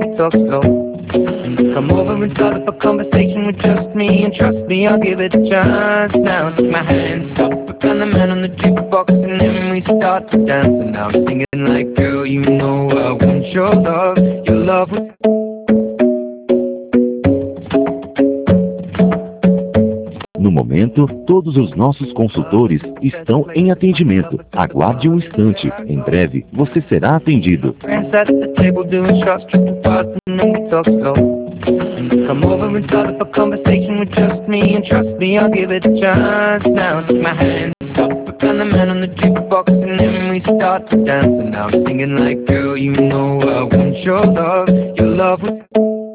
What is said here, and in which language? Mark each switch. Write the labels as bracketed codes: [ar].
[en] Come over and start up a conversation with just me, and trust me, I'll give it a chance. Now I take my hand, stop, and the man on the jukebox, and then we start to dance. And now I'm singing like, girl, you know I want your love was... [pt] No momento, todos os nossos consultores estão em atendimento. Aguarde um instante, em breve você será atendido. [en] Come over and start up a conversation with just me, and trust me, I'll give it a chance. Now I take my hand, stop, and the man on the jukebox, and then we start to dance. And now I'm singing like, girl, you know I want your love was...